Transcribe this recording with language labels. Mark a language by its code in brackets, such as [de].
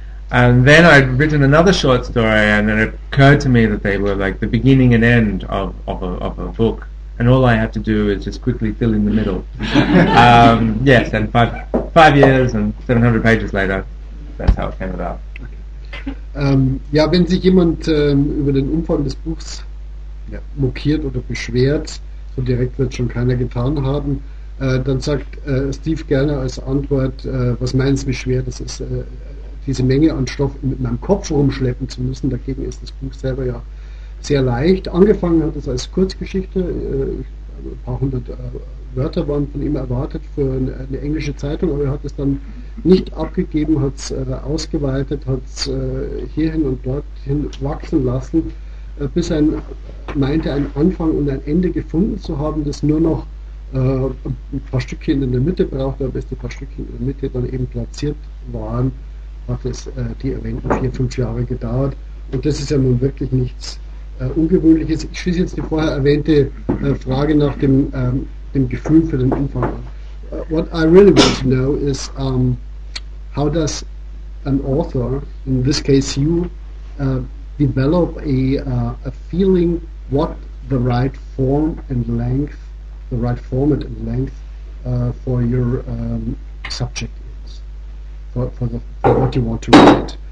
[en] And then I'd written another short story, and then it occurred to me that they were like the beginning and end of a book, and all I had to do is just quickly fill in the middle. yes, and five years and 700 pages later, that's how it came about. [de] Ja, wenn sich jemand über den Umfang des Buchs mokiert oder beschwert, so direkt wird schon keiner getan haben, dann sagt Steve gerne als Antwort, was meinst du, wie schwer das ist, diese Menge an Stoff mit meinem Kopf rumschleppen zu müssen. Dagegen ist das Buch selber ja sehr leicht. Angefangen hat es als Kurzgeschichte, ein paar hundert Wörter waren von ihm erwartet für eine englische Zeitung, aber er hat es dann nicht abgegeben, hat es ausgeweitet, hat es hierhin und dorthin wachsen lassen, bis er meinte, einen Anfang und ein Ende gefunden zu haben, das nur noch ein paar Stückchen in der Mitte braucht, aber bis die paar Stückchen in der Mitte dann eben platziert waren, hat es die erwähnten 4-5 Jahre gedauert. Und das ist ja nun wirklich nichts Ungewöhnliches. Ich schließe jetzt die vorher erwähnte Frage nach dem Gefühl für den Anfang an. [en] What I really want to know is how does an author, in this case you, develop a feeling what the right form and length, the right format and length for your subject is, for what you want to write.